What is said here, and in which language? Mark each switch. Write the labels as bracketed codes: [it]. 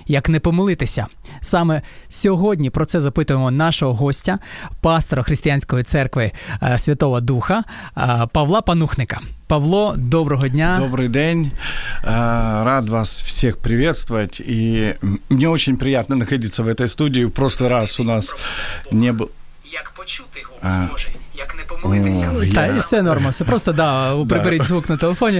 [uk] Як не помилитися? Саме сьогодні про це запитуємо нашого гостя, пастора Християнської церкви Святого Духа Павла Панухника. Павло, доброго дня. Добрий день. [ru] Рад вас всіх приветствовать. [uk] І мені дуже приємно знаходитися в цій студії. [ru] В прошлый раз у нас [uk] не було... Як почути голос Божий? Як не помилитися. Та, все норма, все просто, да, приберіть звук на телефоні.